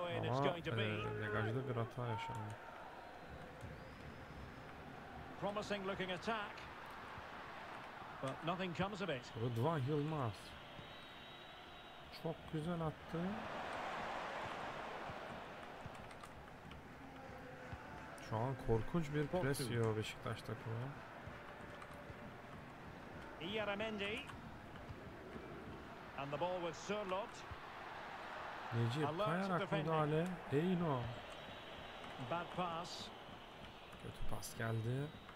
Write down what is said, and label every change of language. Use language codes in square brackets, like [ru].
[tr] Ama degajda bir hata yaşandı. [en] Promising looking attack, but nothing comes of it. [tr] Rıdvan Yılmaz çok güzel attı. Şu an korkunç bir pres yiyor Beşiktaş takımı. [en] Iyaramendi and the ball with Sørloth. [tr] Necip kayarak müdahale. Eino. [en] Bad pass. [tr] Kötü pas geldi.